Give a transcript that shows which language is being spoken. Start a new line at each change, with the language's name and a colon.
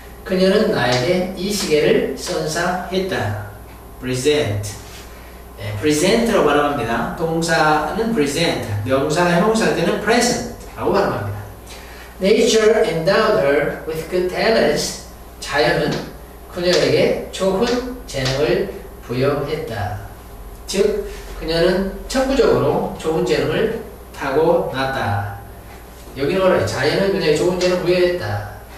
Korean: 그녀는 나에게 이 시계를 선사했다. Present. Present로 발음합니다. 동사는 present. 명사나 형용사 때는 present라고 발음합니다.
English: Nature endowed her with good talents.
Korean: 자연은 그녀에게 좋은 재능을 부여했다. 즉, 그녀는 천부적으로 좋은 재능을 하고 났다. 여기는 뭐래? 자연은 그녀에게 좋은 재능을 부여했다.